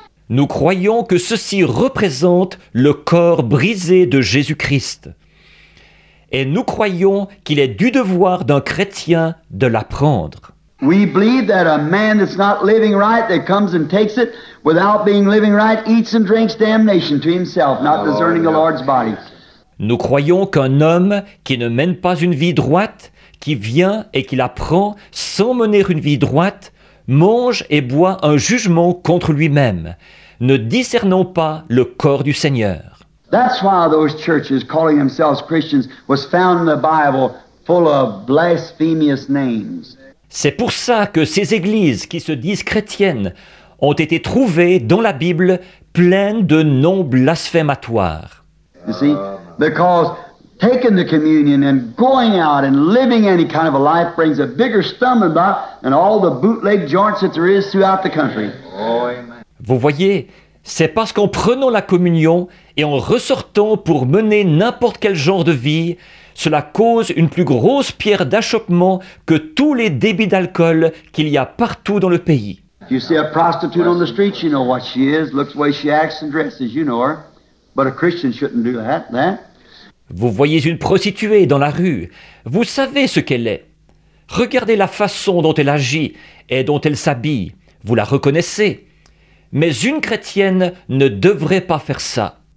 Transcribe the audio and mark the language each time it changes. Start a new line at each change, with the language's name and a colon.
French: Nous croyons que ceci représente le corps brisé de Jésus-Christ. Et nous croyons qu'il est du devoir d'un chrétien de la prendre.
English: We believe that a man that's not living right, that comes and takes it without being living right, eats and drinks damnation to himself, not discerning the Lord's body.
French: Nous croyons qu'un homme qui ne mène pas une vie droite, qui vient et qui la prend sans mener une vie droite, mange et boit un jugement contre lui-même, ne discernant pas le corps du Seigneur.
English: That's why those churches calling themselves Christians was found in the Bible full of blasphemous names.
French: C'est pour ça que ces églises qui se disent chrétiennes ont été trouvées dans la Bible pleines de noms blasphématoires.
English: You see, because taking the communion and going out and living any kind of a life brings a bigger stumbling block than all the bootleg joints that there is throughout the country. Oh, amen.
French: Vous voyez, c'est parce qu'en prenant la communion et en ressortant pour mener n'importe quel genre de vie, cela cause une plus grosse pierre d'achoppement que tous les débits d'alcool qu'il y a partout dans le pays.
English: You see a prostitute on the street, you know what she is, looks the way she acts and dresses, you know her. But a Christian shouldn't do that, eh?
French: Vous voyez une prostituée dans la rue, vous savez ce qu'elle est. Regardez la façon dont elle agit et dont elle s'habille, vous la reconnaissez. Mais une chrétienne ne devrait pas faire ça.